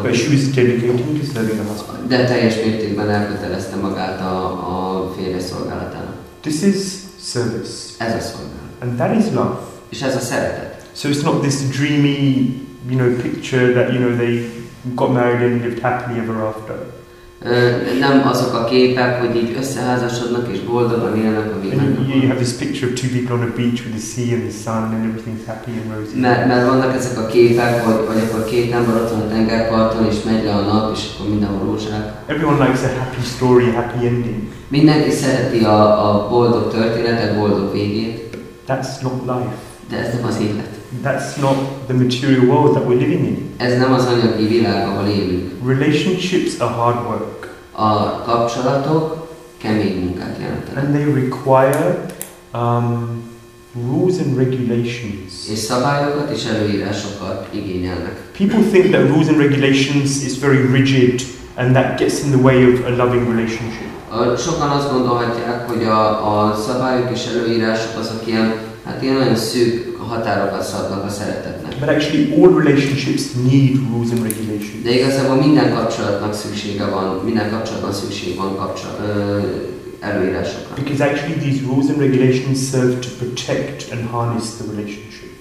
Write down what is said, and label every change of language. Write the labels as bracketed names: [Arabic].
[English] But she was dedicating to serving her husband. [Hungarian] De teljes mértékben elkötelezte magát a férje szolgálatának. [English] This is service. [Hungarian] Ez a szolgálat. [English] And that is love. [Hungarian] És ez a szeretet. [English] So it's not this dreamy, you know, picture that, you know, they got married and lived happily ever after. [Hungarian] nem azok a képek, hogy így összeházasodnak és boldogan élnek a világban. [English] You have this picture of two people on a beach with the sea and the sun and everything's happy and rosy. [Hungarian] Mert vannak ezek a képek, hogy akkor két ember ott van a tengerparton és megy le a nap és akkor minden a rózsák. [English] Everyone likes a happy story, happy ending. [Hungarian] Mindenki szereti a boldog történetet, boldog végét. [English] That's not life. [Hungarian] De ez nem az élet. [English] That's not the material world that we're living in. [Hungarian] Ez nem az anyagi világ, ahol élünk. [English] Relationships are hard work. [Hungarian] A kapcsolatok kemény munkát jelentenek. [English] And they require rules and regulations. [Hungarian] És szabályokat és előírásokat igényelnek. [English] People think that rules and regulations is very rigid and that gets in the way of a loving relationship. [Hungarian] Sokan azt gondolhatják, hogy a szabályok és előírások azok ilyen, hát ilyen nagyon szűk határokat szabnak a szeretetnek. [English] But actually all relationships need rules and regulations. [Hungarian] De igazából minden kapcsolatnak szüksége van, minden kapcsolatban szükség van előírásokra. [English] Because actually these rules and regulations serve to protect and harness the relationship.